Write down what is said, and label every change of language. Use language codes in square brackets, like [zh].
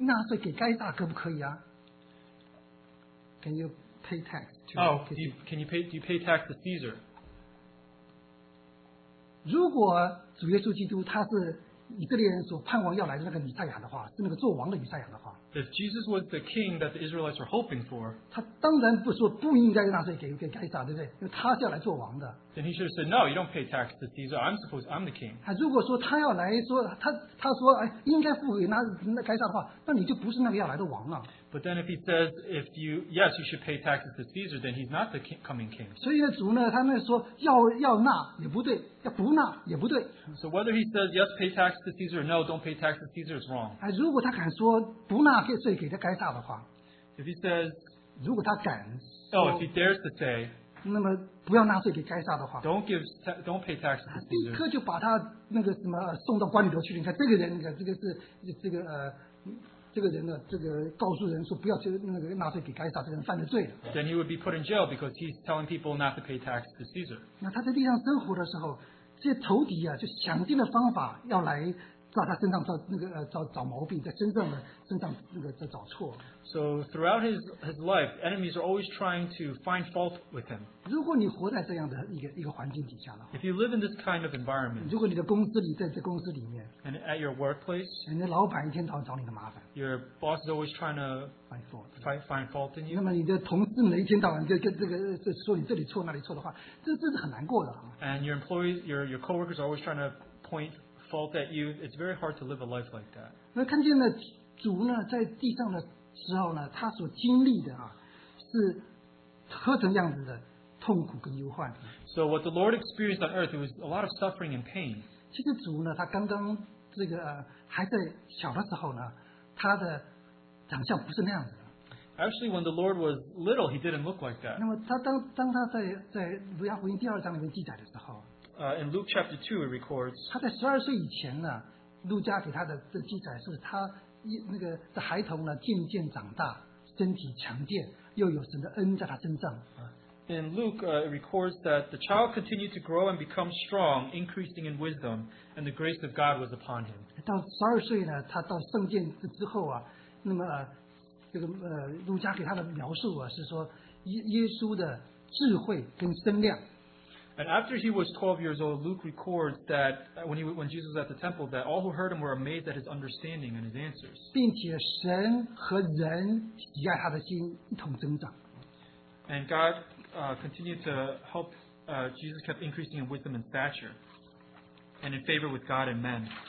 [zh] 纳税给该大可不可以啊？ [en] Can you pay tax to Caesar? Do you pay tax to Caesar? [zh] 如果主耶稣基督他是以色列人所盼望要来的那个弥赛亚的话，是那个做王的弥赛亚的话， [en] If Jesus was the king that the Israelites were hoping for, [zh] 他当然不说不应该纳税给该撒，对不对？因为他是要来做王的。 [en] Then he should have said, "No, you don't pay tax to Caesar. I'm the king." [zh] 如果说他要来说他说哎应该付给那该撒的话，那你就不是那个要来的王了。 [en] But then if he says, "If you yes, you should pay taxes to Caesar," then he's not the coming king. [zh] 所以呢，主呢，他们说要纳也不对，要不纳也不对。 [en] So whether he says yes, pay tax to Caesar, or no, don't pay tax to Caesar is wrong. [zh] 如果他敢说不纳税给他该撒的话 [en] ，if he says， [zh] 如果他敢 [en] ，oh, if he dares to say， [zh] 那么不要纳税给该撒的话 [en] ，don't pay tax to Caesar， [zh] 立刻就把他那个什么送到官里头去。你看这个人，你看这个是这个这个人呢，这个告诉人说不要去那个纳税给该撒，这个人犯了罪了。 [en] Then he would be put in jail because he's telling people not to pay tax to Caesar. [zh] 那他在地上生活的时候，这些仇敌啊，就想尽了方法要来在他身上找那个找毛病，在真正的身上那个在找错。 [en] So throughout his life, enemies are always trying to find fault with him. [zh] 如果你活在这样的一个环境底下了 [en] ，If you live in this kind of environment, [zh] 如果你的公司里在这公司里面 [en] ，And at your workplace, [zh] 你的老板一天到晚找你的麻烦 [en] ，Your boss is always trying to find fault in you. [zh] 那么你的同事呢，一天到晚就跟这个说你这里错那里错的话，这是很难过的。 [en] And your employees, your coworkers are always trying to point fault at you. It's very hard to live a life like that. [zh] 那看见了主呢，在地上的。之后呢，他所经历的啊，是何等样子的痛苦跟忧患。 [en] So what the Lord experienced on earth, it was a lot of suffering and pain. [zh] 其实主呢，他刚刚这个还在小的时候呢，他的长相不是那样子的。 [en] Actually, when the Lord was little, he didn't look like that. [zh] 那么他当他在路加福音第二章里面记载的时候 [en] ，In Luke chapter 2 it records. [zh] 他在十二岁以前呢，路加给他的这记载是他。那个这孩童呢，渐渐长大，身体强健，又有神的恩在他身上。 [en] In Luke, it records that the child continued to grow and become strong, increasing in wisdom, and the grace of God was upon him. [zh] 到十二岁呢，他到圣殿之后啊，那么这个路加给他的描述啊，是说耶稣的智慧跟身量。 [en] And after he was 12 years old, Luke records that when Jesus was at the temple, that all who heard him were amazed at his understanding and his answers. [zh] 并且神和人喜爱他的心一同增长。 [en] And God continued to help Jesus kept increasing in wisdom and stature, and in favor with God and men.